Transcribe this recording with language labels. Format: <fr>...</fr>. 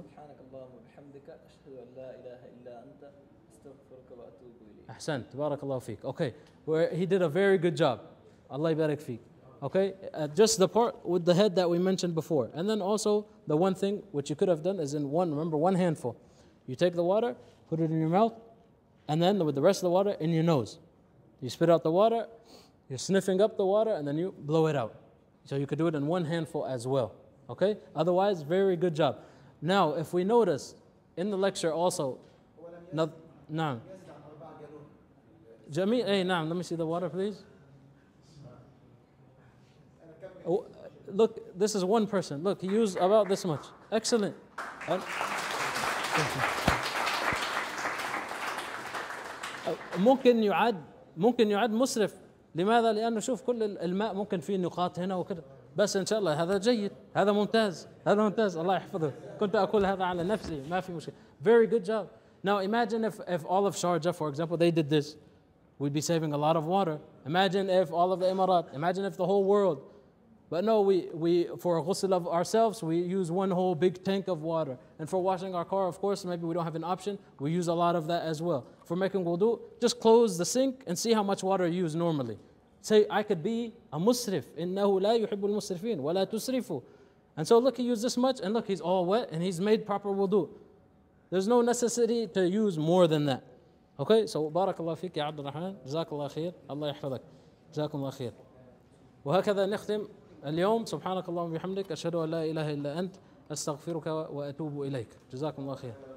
<ar>سبحانك اللهم وبحمدك أشهد أن لا إله إلا أنت أستغفرك وأتوب إليك. أحسنت بارك الله فيك.</ar> <en>Okay, where he did a very good job.</en> <ar>الله يبارك فيك.</ar> <en>Okay, just the part with the head that we mentioned before, and then also the one thing which you could have done is in one. Remember, one handful. You take the water, put it in your mouth, and then with the rest of the water in your nose, you spit out the water. You're sniffing up the water, and then you blow it out. So you could do it in one handful as well. Okay? Otherwise, very good job. Now, if we notice in the lecture also, now, Jamil, hey, now, let me see the water, please. Look, this is one person. Look, he used about this much. Excellent.</en> <ar>ممكن يعد مسرف. لماذا؟ لأنه شوف كل الماء ممكن فيه نقاط هنا وكذا. بس إن شاء الله هذا جيد، هذا ممتاز، هذا ممتاز. الله يحفظه. كنت أقول هذا على نفسي، ما في مشكلة.</ar> <en>Very good job. Now imagine if all of Sharjah, for example, they did this, we'd be saving a lot of water. Imagine if all of the Emirat, imagine if the whole world. But no, we for ghusl of ourselves, we use one whole big tank of water. And for washing our car, of course, maybe we don't have an option, we use a lot of that as well. For making wudu, just close the sink and see how much water you use normally. Say, I could be a musrif.</en> <ar>إِنَّهُ لَا يُحِبُّ الْمُسْرِفِينَ وَلَا تُسْرِفُ.</ar> <en>And so look, he used this much, and look, he's all wet, and he's made proper wudu. There's no necessity to use more than that. Okay, so</en> <ar>بارك الله فيك يا عبد الرحمن. جزاك الله خير. الله يحفظك. جزاكم الله خير. وهكذا نختم اليوم. سبحانك اللهم وبحمدك. أشهد أن لا إله إلا أنت. أستغفرك وأتوب إليك. جزاكم الله خير.</ar>